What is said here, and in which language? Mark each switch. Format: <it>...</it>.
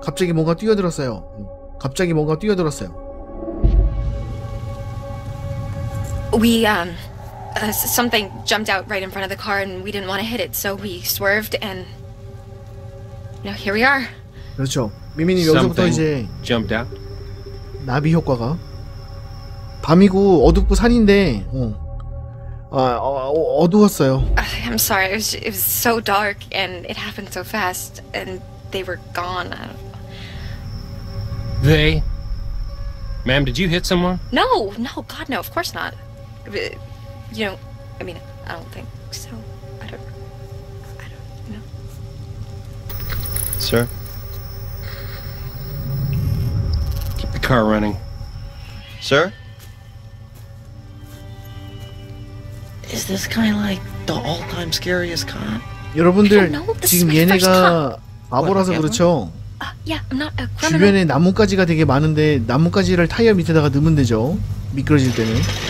<ko>갑자기 뭔가 뛰어들었어요. 갑자기 뭔가 뛰어들었어요.</ko> <en>We, something jumped out right in front of the car and we didn't want to hit it, so we swerved and... Now here we are.</en> <ko>그렇죠. 미미님 여기서부터 이제...</ko> <en>jumped out?</en> <ko>나비 효과가. 밤이고 어둡고 산인데, 어두웠어요.</ko> <en>I'm sorry, it was so dark and it happened so fast and they were gone. They? Ma'am, did you hit someone? No, no, God, no, of course not. You know, I mean, I don't think so. I don't know. Sir? Keep the car running. Sir? Is this kind of like the all-time scariest cop?</en> <ko>여러분들, 지금 얘네가 바보라서 그렇죠?</ko> <en>Yeah, I'm not a</en> <ko>주변에 나뭇가지가 되게 많은데 나뭇가지를 타이어 밑에다가 넣으면 되죠. 미끄러질 때는.</ko>